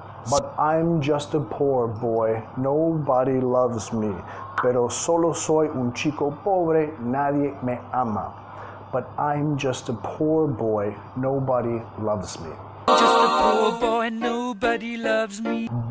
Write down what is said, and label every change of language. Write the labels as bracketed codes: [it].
[en] But I'm just a poor boy, nobody loves me. [es] Pero solo soy un chico pobre, nadie me ama. [en] But I'm just a poor boy, nobody loves me. Just a poor boy, nobody loves me.